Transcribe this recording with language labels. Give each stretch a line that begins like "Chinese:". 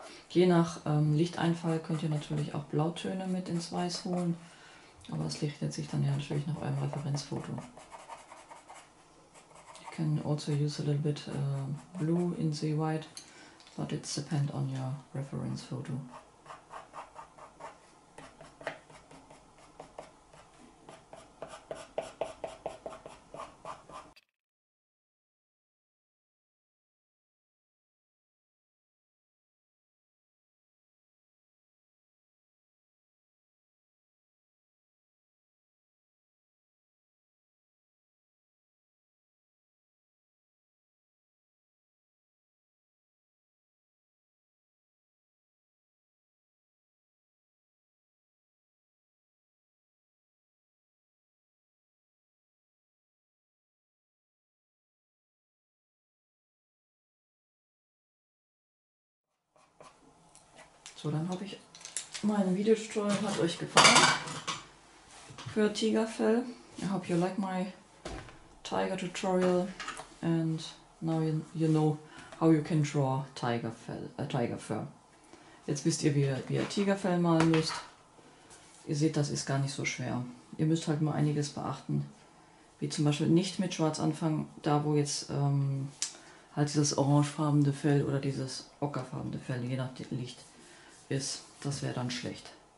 German: Je nach Lichteinfall könnt ihr natürlich auch Blautöne mit ins Weiß holen, aber es richtet sich dann ja natürlich nach eurem Referenzfoto.
English: You can also use a little bit blue in the white, but it depends on your reference photo.
German: So, dann habe ich meine Videotutorial, hat euch gefallen für Tigerfell.
English: I hope you like my tiger tutorial and now you know how you can draw tiger fur.
German: Jetzt wisst ihr, wie ihr Tigerfell malen müsst. Ihr seht, das ist gar nicht so schwer. Ihr müsst halt mal einiges beachten, wie zum Beispiel nicht mit Schwarz anfangen, da wo jetzt halt dieses orangefarbene Fell oder dieses ockerfarbene Fell, je nach Licht, ist, das wäre dann schlecht.